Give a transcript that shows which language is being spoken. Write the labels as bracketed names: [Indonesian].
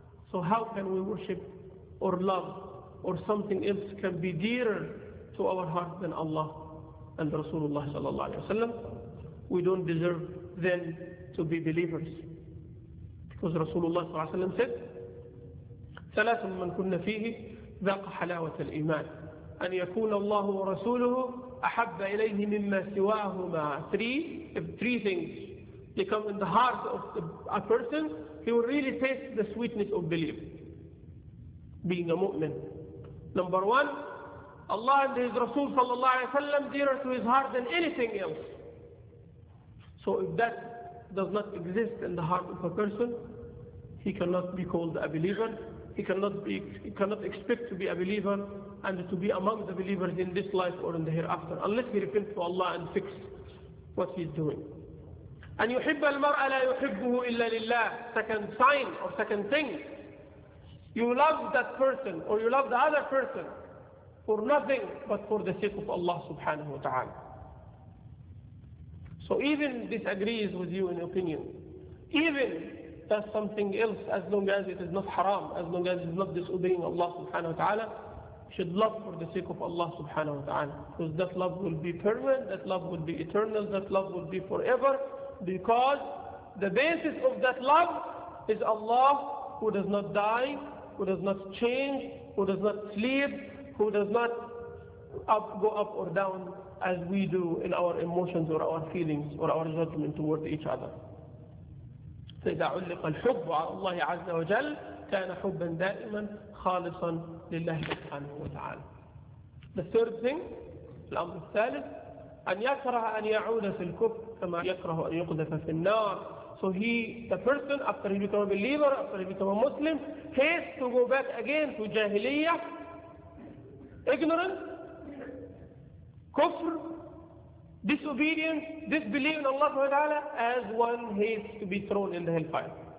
[English] So how can we worship or love or something else can be dearer to our heart than Allah and Rasulullah sallallahu alayhi wa sallam? We don't deserve then to be believers. Because Rasulullah sallallahu alayhi wa sallam said, [Arabic] ثلاث من كن فيه ذاق حلاوة الإيمان أن يكون الله ورسوله أحب إليه مما سواهما. [English] Three things become in the heart of a person, he will really taste the sweetness of belief, being a mu'min. Number one, Allah and His Rasul sallallahu alayhi wa sallam dearer to his heart than anything else. So if that does not exist in the heart of a person, he cannot be called a believer. He cannot expect to be a believer and to be among the believers in this life or in the hereafter, unless he repents to Allah and fix what he's doing. [Arabic] أن يحب المرء لا يحبه إلا لله. [English] Second sign or second thing. You love that person or you love the other person for nothing but for the sake of Allah subhanahu wa ta'ala. So even this agrees with you in opinion. Even that's something else, as long as it is not haram, as long as it is not disobeying Allah subhanahu wa ta'ala, should love for the sake of Allah subhanahu wa ta'ala. Because that love will be permanent, that love will be eternal, that love will be forever, because the basis of that love is Allah, who does not die, who does not change, who does not sleep, who does not go up or down as we do in our emotions or our feelings or our judgment towards each other. [Arabic] فإذا علق الحب على الله عز وجل كان حبا دائما خالصا لله سبحانه وتعالى. [English] The third thing, [Arabic] الأمر الثالث, أن يكره أن يعود في الكفر كما يكره أن يقذف في النار. [English] So he, the person, after he become a believer, after he become a Muslim, has to go back again to jahiliyyah, ignorance, kufr, disobedience, disbelief in Allah subhanahu wa ta'ala, as one hates to be thrown in the hellfire.